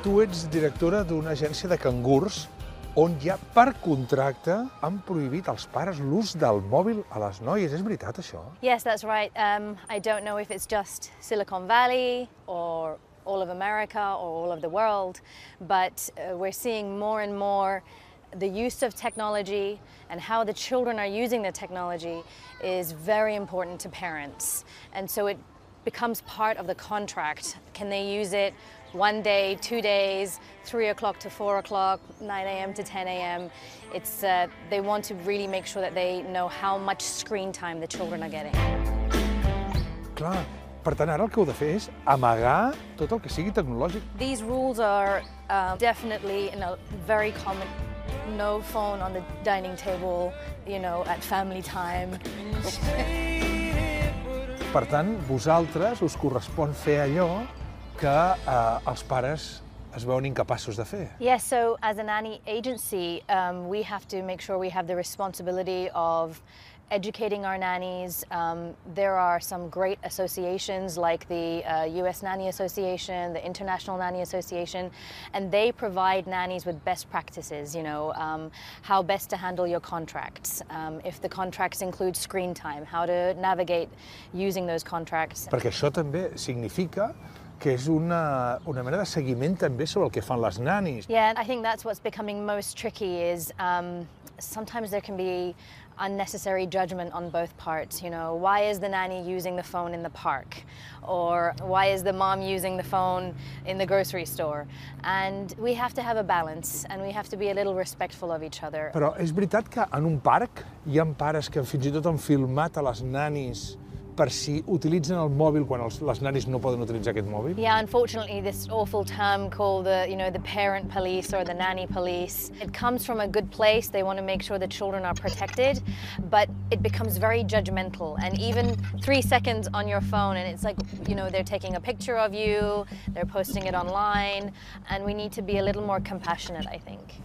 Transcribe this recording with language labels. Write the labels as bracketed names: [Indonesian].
[Catalan] Tu ets directora d'una agència de cangurs on ja per contracte han prohibit als pares l'ús del mòbil a les noies. És veritat això? [English] Yes, that's right. I don't know if it's just Silicon Valley or all of America or all of the world, but we're seeing more and more the use of technology and how the children are using the technology is very important to parents. And so it becomes part of the contract. Can they use it one day, 2 days, 3 o'clock to 4 o'clock, 9 a.m. to 10 a.m. It's they want to really make sure that they know how much screen time the children are getting. [Catalan] Clar. Per tant, ara el que heu de fer és amagar tot el que sigui tecnològic. [English] These rules are definitely in a very common. No phone on the dining table, you know, at family time. [Catalan] Per tant, vosaltres us correspon fer allò que els pares es veuen incapaços de fer. [English] Yes, so as a nanny agency, we have to make sure we have the responsibility of educating our nannies. There are some great associations like the US Nanny Association, the International Nanny Association, and they provide nannies with best practices, you know, how best to handle your contracts, if the contracts include screen time, how to navigate using those contracts. [Catalan] Perquè això també significa que és una manera de seguiment també sobre el que fan les nannies. [English] Yeah, I think that's what's becoming most tricky is sometimes there can be unnecessary judgment on both parts. You know, why is the nanny using the phone in the park? Or why is the mom using the phone in the grocery store? And we have to have a balance and we have to be a little respectful of each other. [Catalan] Però és veritat que en un parc hi ha pares que fins i tot han filmat a les nannies per si utilitzen el mòbil quan les nannies no poden utilitzar aquest mòbil? [English] Yeah, unfortunately, this awful term called the, you know, the parent police or the nanny police, it comes from a good place. They want to make sure the children are protected, but it becomes very judgmental. And even 3 seconds on your phone and it's like, you know, they're taking a picture of you, they're posting it online, and we need to be a little more compassionate, I think.